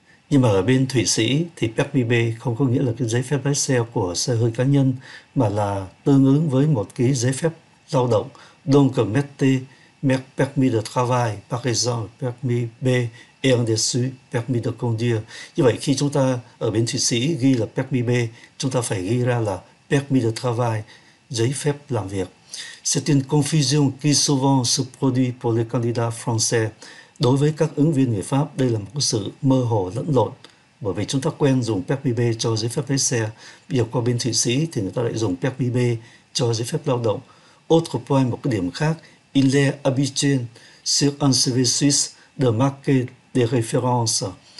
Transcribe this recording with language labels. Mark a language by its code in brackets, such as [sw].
[vi] Nhưng mà ở bên Thụy Sĩ thì permis B không có nghĩa là cái giấy phép lái xe của xe hơi cá nhân, mà là tương ứng với một cái giấy phép lao động, [fr] donc permis de travail, par exemple, permis B et en dessous, permis de conduire. [vi] Như vậy khi chúng ta ở bên Thụy Sĩ ghi là permis B, chúng ta phải ghi ra là permis de travail, giấy phép làm việc. [fr] C'est une confusion qui souvent se produit pour les candidats français. [vi] Đối với các ứng viên người Pháp, đây là một sự mơ hồ lẫn lộn, bởi vì chúng ta quen dùng permis B cho giấy phép lái xe. Bây giờ qua bên Thụy Sĩ thì người ta lại dùng permis B cho giấy phép lao động. [fr] Autre point, [vi] một cái điểm khác, [fr] il est habituel sur un CV suisse de marquer des références.